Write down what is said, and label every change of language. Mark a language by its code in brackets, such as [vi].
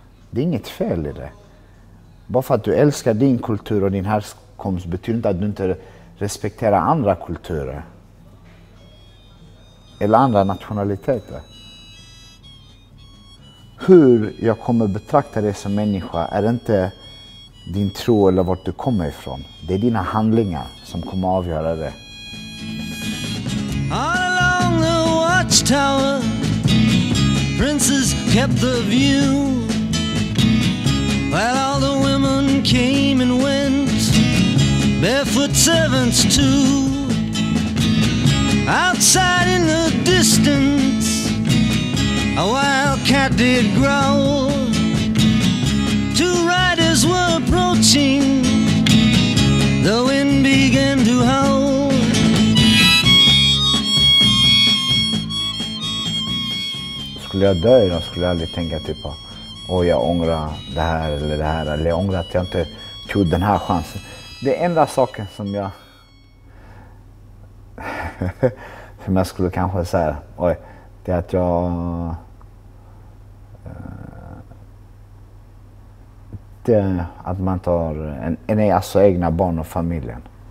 [sv] Det är inget fel i det. Bara för att du älskar din kultur och din härkomst betyder inte att du inte respekterar andra kulturer eller andra nationaliteter. Hur jag kommer betrakta dig som människa är inte din tro eller vart du kommer ifrån. Det är dina handlingar som kommer avgöra det. [en] All along the watchtower, princes kept the view. While all the women came and went, barefoot servants too. Outside in the distance, a wild cat did growl. Two riders were approaching, the wind began to howl. [sv] Skulle jag dö idag skulle jag aldrig tänka typ på, och jag ångrar det här eller det här, eller jag ångrar att jag inte tog den här chansen. Det enda saken som jag för mig skulle kanske säga, oj, det är att jag det är att man tar en är alltså egna barn och familjen.